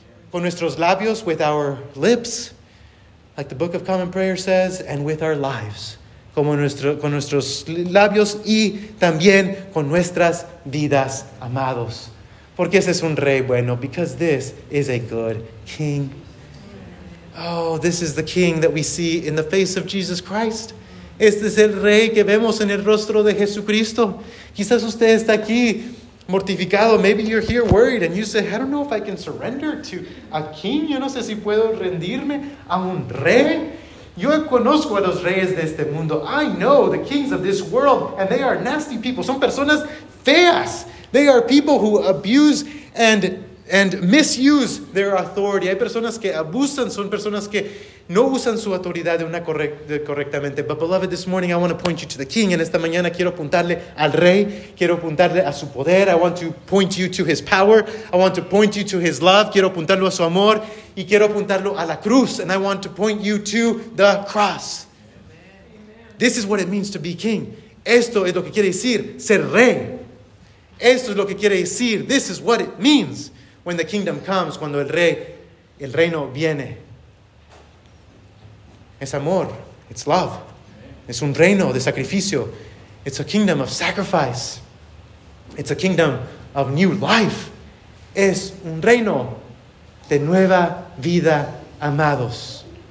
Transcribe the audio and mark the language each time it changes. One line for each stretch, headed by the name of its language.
Spanish: Con nuestros labios,
English: with our lips, like the Book of Common Prayer says, and with our lives.
Spanish: Con nuestros labios y también con nuestras vidas, amados. Porque ese es un rey bueno.
English: Because this is a good king. Oh, this is the King that we see in the face of Jesus Christ.
Spanish: Este es el rey que vemos en el rostro de Jesucristo. Quizás usted está aquí mortificado.
English: Maybe you're here worried and you say, I don't know if I can surrender to a king.
Spanish: Yo no sé si puedo rendirme a un rey. Yo conozco a los reyes de este mundo.
English: I know the kings of this world, and they are nasty people.
Spanish: Son personas feas.
English: They are people who abuse and misuse their authority.
Spanish: Hay personas que abusan, son personas que no usan su autoridad de una correctamente.
English: But beloved, this morning I want to point you to the King.
Spanish: En esta mañana quiero apuntarle al Rey. Quiero apuntarle a su poder.
English: I want to point you to His power. I want to point you to His love.
Spanish: Quiero apuntarlo a su amor. Y quiero apuntarlo a la cruz.
English: And I want to point you to the cross. Amen. This is what it means to be King.
Spanish: Esto es lo que quiere decir ser Rey. Esto es lo que quiere decir.
English: This is what it means when the kingdom comes.
Spanish: Cuando el Rey, el reino viene. Es amor,
English: it's love,
Spanish: es un reino de sacrificio,
English: it's a kingdom of sacrifice, it's a kingdom of new life,
Spanish: es un reino de nueva vida, amados.